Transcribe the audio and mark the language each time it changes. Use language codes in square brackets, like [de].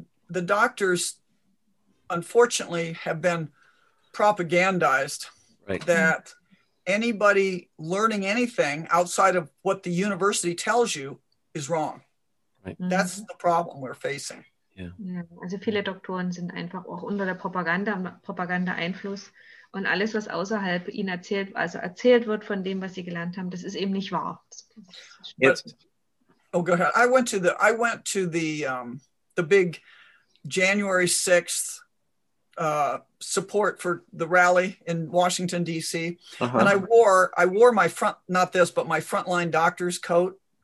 [en] The doctors, unfortunately, have been propagandized that anybody learning anything outside of what the university tells you is wrong. Right. That's the problem we're facing. Yeah. [de] Also viele Doktoren sind einfach auch unter der Propaganda Einfluss, und alles, was außerhalb ihnen erzählt, also erzählt wird von dem, was sie gelernt haben, das ist eben nicht wahr. [en] Go ahead. I went to the big January 6th support for the rally in Washington D.C. Uh-huh. And I wore my frontline doctor's coat.